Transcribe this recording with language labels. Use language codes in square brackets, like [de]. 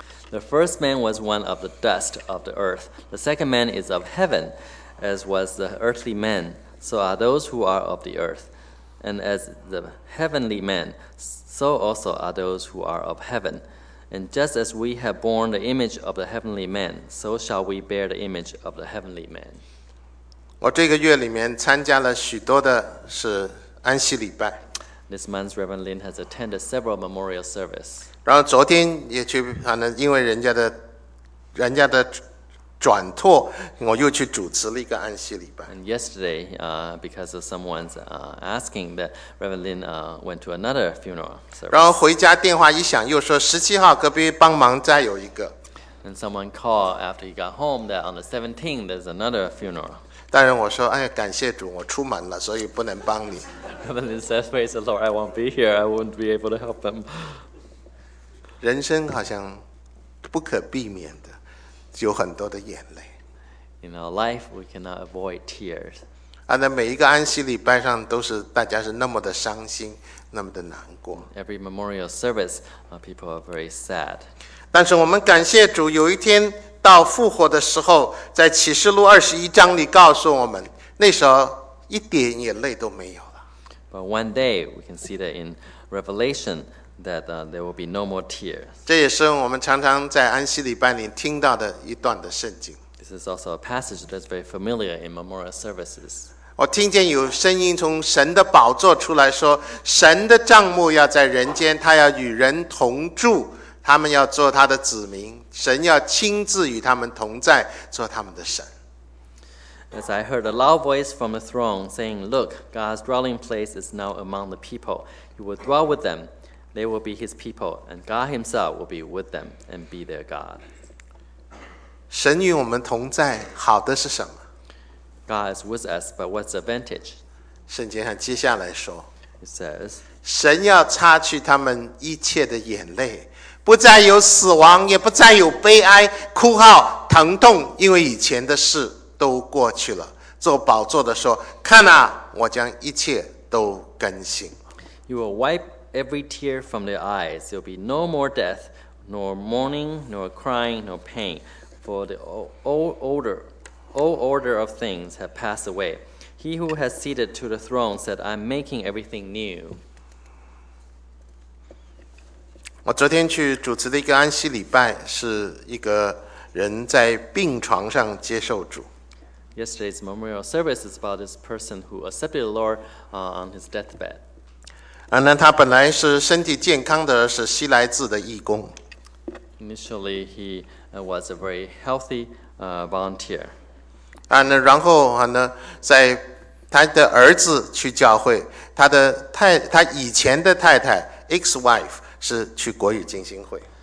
[en] The first man was one of the dust of the earth. The second man is of heaven, as was the earthly man. So are those who are of the earth. And as the heavenly man, so also are those who are of heaven. And just as we have borne the image of the heavenly man, so shall we bear the image of the heavenly man. [zh] 我这个月里面参加了许多的是安息礼拜。 [en] This month, Reverend Lin has attended several memorial services. [zh] 然后昨天也去，反正因为人家的转托，我又去主持了一个安息礼拜。 [en] And yesterday, because of someone's asking, that Reverend Lin went to another funeral service. [zh] 然后回家电话一响，又说17号隔壁帮忙再有一个。 [en] And someone called after he got home that on the 17th there's another funeral. [zh] 但是我说，哎，感谢主，我出门了，所以不能帮你。 [en] Reverend Lin says, "Praise the Lord, I won't be here. I won't be able to help them." [zh] 人生好像不可避免的有很多的眼泪。 [en] In our life, we cannot avoid tears. [zh] 啊，那每一个安息礼拜上都是大家是那么的伤心，那么的难过。 [en] Every memorial service, people are very sad. [zh] 但是我们感谢主，有一天。到复活的时候，在启示录21章里告诉我们，那时候一点眼泪都没有了。 [en] But one day we can see that in Revelation that there will be no more tears. [zh] 这也是我们常常在安息礼拜里听到的一段的圣经。 [en] This is also a passage that's very familiar in memorial services. [zh] 我听见有声音从神的宝座出来说，神的帐幕要在人间，他要与人同住，他们要做他的子民，神要亲自与他们同在，做他们的神。 [en] As I heard a loud voice from the throne saying, Look, God's dwelling place is now among the people. He will dwell with them. They will be his people, and God himself will be with them and be their God. [zh] 神与我们同在，好的是什么？ [en] God is with us, but what's the advantage? [zh] 圣经上接下来说， [en] It says, [zh] 神要擦去他们一切的眼泪，不再有死亡，也不再有悲哀、哭号、疼痛，因为以前的事都过去了。做宝座的说，看啊，我将一切都更新。 [en] You will wipe every tear from their eyes. There will be no more death, nor mourning, nor crying, nor pain. For the old order of things have passed away. He who has seated to the throne said, I'm making everything new. [zh] 我昨天去主持的一个安息礼拜，是一个人在病床上接受主。 [en] Yesterday's memorial service is about this person who accepted the Lord on his deathbed. [zh] 那他本来是身体健康的，是西来寺的义工。 [en] Initially, he was a very healthy volunteer. [zh] 那然后呢，在他的儿子去教会，他以前的太太 ex-wife 是去国语进行会。